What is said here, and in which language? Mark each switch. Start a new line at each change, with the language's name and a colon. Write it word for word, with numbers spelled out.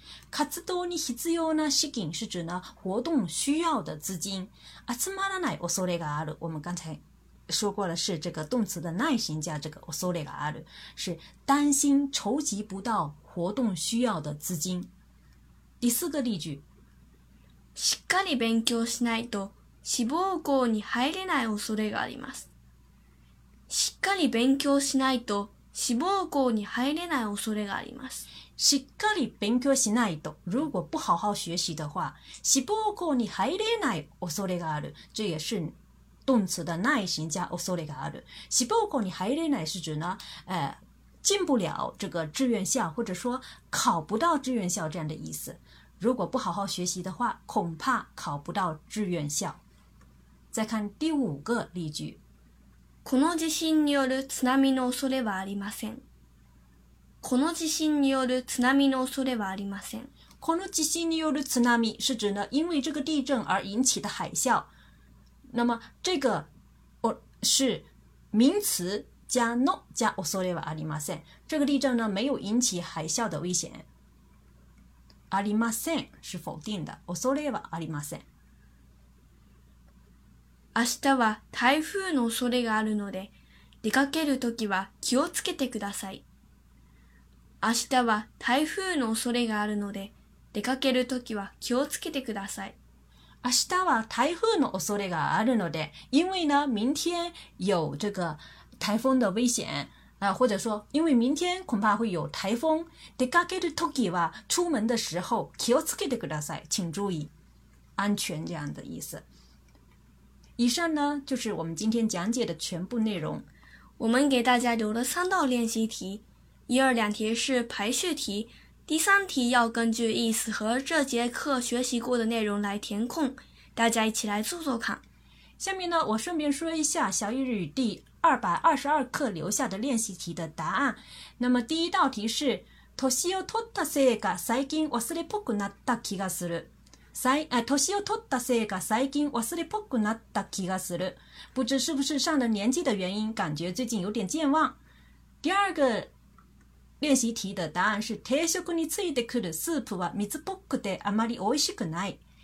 Japanese: 活動に必要な資金
Chinese: 是指呢活动需要的资金。
Japanese: 集まらない恐れがある，
Chinese: 我们刚才说过了，是这个动词的耐心加这个恐れがある，是担心筹集不到活动需要的资金。第四个例句。
Japanese: しっかり勉強しないと志望校に入れない恐れがあります。しっかり勉強しないと志望校に入れない恐れがあります。しっかり勉強しないと，
Chinese: 如果不好好学习的话，
Japanese: 志望校に入れない恐れがある。
Chinese: 这也是动词的耐心加恐れがある。志望校に入れない是指呢，呃，进不了这个志愿校，或者说考不到志愿校这样的意思。如果不好好学习的话，恐怕考不到志愿校。再看第五个例句。
Japanese: この地震による津波の恐れはありません。この地震による津波の恐れはありません。この地震による津波
Chinese: 是指呢因为这个地震而引起的海啸。那么这个是名词加の加恐れはありません。这个地震呢没有引起海啸的危险。ありません是否定的，恐れはありません。
Japanese: 明日は台風の恐れがあるので、出かけるときは気をつけてください。明日は台風の恐れがあるので、出かけるときは気をつけてください。明日は台風の恐れがあるので，
Chinese: 因为呢，明天有这个台风的危险。啊，或者说，因为明天恐怕会有台风。出かける時は出门的时候，
Japanese: 気をつけてください，
Chinese: 请注意安全这样的意思。以上呢就是我们今天讲解的全部内容。我们给大家留了三道练习题，一二两题是排序题，第三题要根据意思和这节课学习过的内容来填空，大家一起来做做看。下面呢，我顺便说一下小语日语第二百二十二课留下的练习题的答案。那么第一道题是
Japanese: 年を取ったせいか最近忘れっぽくなった気がする。年を取ったせいか最近忘れっぽくなった気がする。
Chinese: 不知是不是上了年纪的原因，感觉最近有点健忘。第二个练习题的答案是
Japanese: 定食についてくるスープは水っぽくてあまり美味しくない。